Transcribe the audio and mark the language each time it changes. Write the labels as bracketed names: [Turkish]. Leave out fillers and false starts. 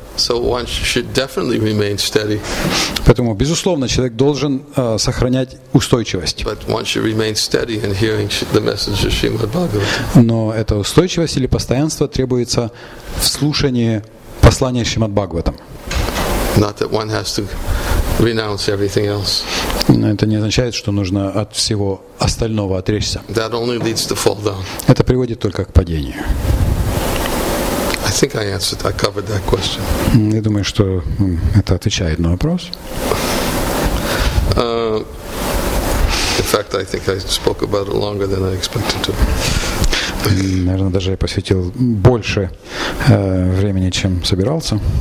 [English] So one should definitely remain steady. [Russian] Поэтому безусловно человек должен сохранять устойчивость. [English] But one should remain steady in hearing the message of Srimad Bhagavatam. [Russian] Но эта устойчивость или постоянство требуется в слушании послания Шримад Бхагаватам. [English] Not that one has to renounce everything else. [Russian] Это не означает, что нужно от всего остального отречься. [English] That only leads to fall down. [Russian] Это приводит только к падению. [English] I think I answered, I covered that question. [Russian] Я думаю, что это отвечает на вопрос. [English] In fact, I think I spoke about it longer than I expected to. [Russian] Наверное, даже я посвятил больше времени, чем собирался.